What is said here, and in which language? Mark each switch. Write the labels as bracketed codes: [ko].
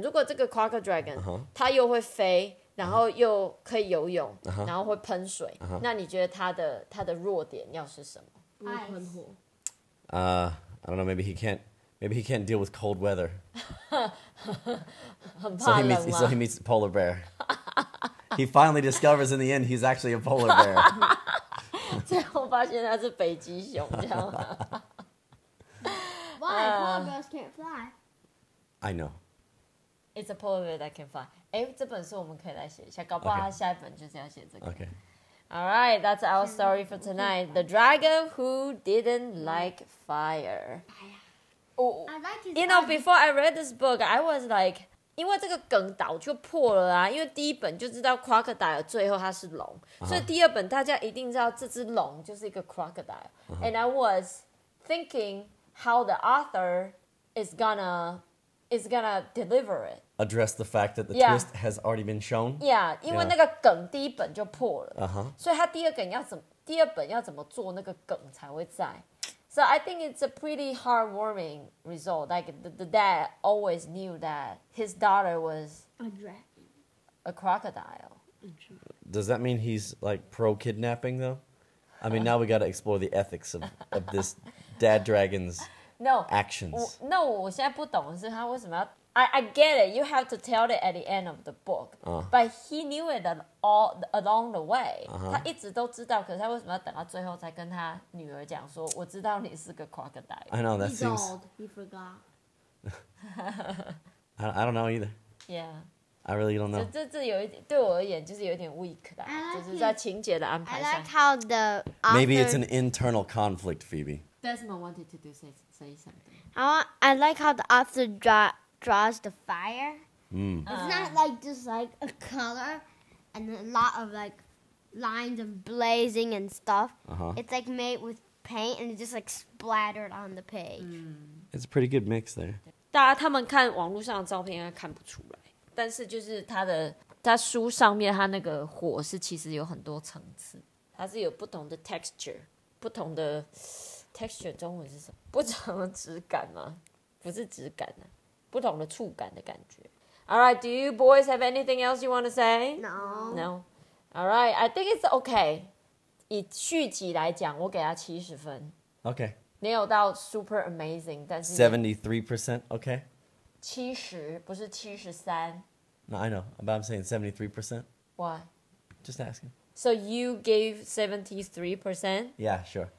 [zh] 如果这个 crocodragon, 它又会飞...然后又可以游泳， 然后会喷水， 那你觉得他的弱点要是什么？ [en] Ice. I don't know, maybe he can't deal with cold weather. [zh] 很怕冷吗？ [en] So he meets a polar bear. He finally discovers in the end he's actually a polar bear. [zh] 最后发现他是北极熊，这样吗？ [en] Why? Polar bears can't fly. I know. It's a polar bear that can fly. [zh] 诶，这本书我们可以来写一下，搞不好他下一本就是要写这个。 [en] Okay. All right, that's our story for tonight. The dragon who didn't like fire. Oh, you know, before I read this book, I was like, [zh] 因为这个梗岛就破了啦，因为第一本就知道 crocodile 最后它是龙，所以第二本大家一定知道这只龙就是一个 crocodile. [en] And I was thinking how the author is gonna deliver it. Address the fact that the twist has already been shown. [zh] Yeah, 因为那个梗第一本就破了，所以它第二梗要怎么，第二本要怎么做那个梗才会在。 [en] So I think it's a pretty heartwarming result. Like the dad always knew that his daughter was a dragon, a crocodile. Does that mean he's like pro kidnapping though? I mean, now we got to explore the ethics of this dad dragon's actions. No, [zh] 我现在不懂是他为什么要 [en] I get it. You have to tell it at the end of the book. But he knew it along the way. [zh] 他一直都知道，可是他为什么要等到最后才跟他女儿讲说，我知道你是个 crocodile. [en] I know, that seems... He's old. He forgot. I don't know either. Yeah. I really don't know. [zh] 这有一点，对我而言就是有点 weak 啦，就是在情节的安排上。 [en] I like how the author... Maybe it's an internal conflict, Phoebe. Desmond wanted to say something. I like how the author draws the fire. It's not like just like a color. And a lot of like lines of blazing and stuff. It's like made with paint and it just like splattered on the page. It's a pretty good mix there. [zh] 大家他们看网络上的照片应该看不出来，但是就是他的他书上面他那个火是其实有很多层次，它是有不同的 texture， 不同的 texture 中文是什么？不同的质感吗？不是质感啊，不同的触感的感觉。 [en] All right, do you boys have anything else you want to say? No. No. All right, I think it's okay. [zh] 以续集来讲，我给他70分。 [en] Okay. [zh] 没有到 [en] super amazing, [zh] 但是 [en] 73% okay? [zh] 70, 不是73. [en] No, I know, but I'm saying 73%. Why? Just asking. So you gave 73%? Yeah, sure.